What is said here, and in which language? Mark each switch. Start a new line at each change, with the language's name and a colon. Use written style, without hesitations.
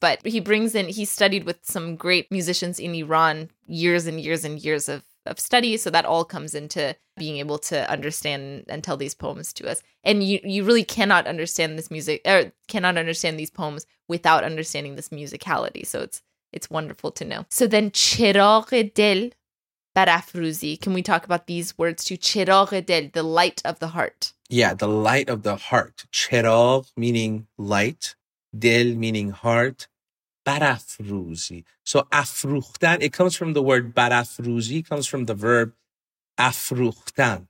English: But he brings in, he studied with some great musicians in Iran, years and years and years of study. So that all comes into being able to understand and tell these poems to us. And you really cannot understand this music or cannot understand these poems without understanding this musicality. So it's wonderful to know. So then
Persian: چراغ دل برافروزی.
English: Can we talk about these words too? چراغ دل, the light of the heart. Yeah, the light of the heart. چراغ meaning light. دل meaning heart.
Persian: برافروزی.
English: So افروختن, it comes from the word برافروزی, comes from the verb افروختن.